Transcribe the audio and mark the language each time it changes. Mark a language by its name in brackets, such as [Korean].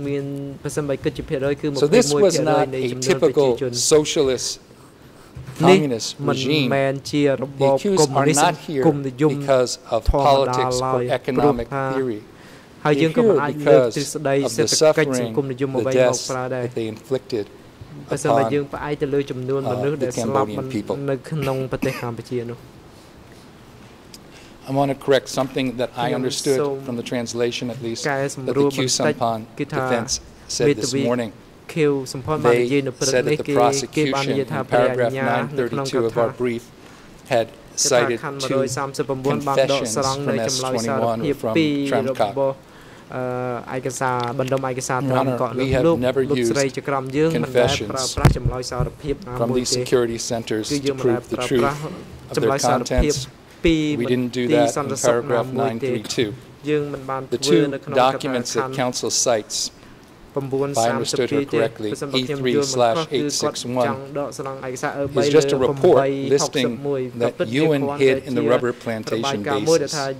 [Khmer] មានប្រសិនបើគិតជាភាគរយគឺ21%នៃចំនួនប្រជាជន [English] socialist communist regime [Khmer] មែនជារបបកុម្មុយនីស្តគុំនិយម [English] because of politics or economic theory [Khmer] ហើយយើងក៏មិនអាចលើកទ្រឹស្ដីសេដ្ឋកិច្ចសង្គមនិយមអ្វីមកប្រើដែរប្រសិនបើយើងផ្អែកទៅលើចំនួនមនុស្សដែលស្លាប់នៅក្នុងប្រទេសកម្ពុជានោះ [English] I want to correct something that I understood from the translation, at least, that the Khmer Sampan defense said this morning. They said that the prosecution in paragraph 932 of our brief had cited two confessions from S21 from Tramcock. [Khmer] ឯកសារបណ្ដុំឯកសារត្រង់កន្លងលោកលោកស្រីជាក្រុមយើងមិនបានប្រើប្រាស់ចម្លើយសារភាព ណាមួយទេ [English] From the security centers to prove the truth of their contents. We didn't do that in paragraph 932. The two documents that council cites, if I understood her correctly, E3/861, is just a report listing that Yuen hid in the rubber plantation bases.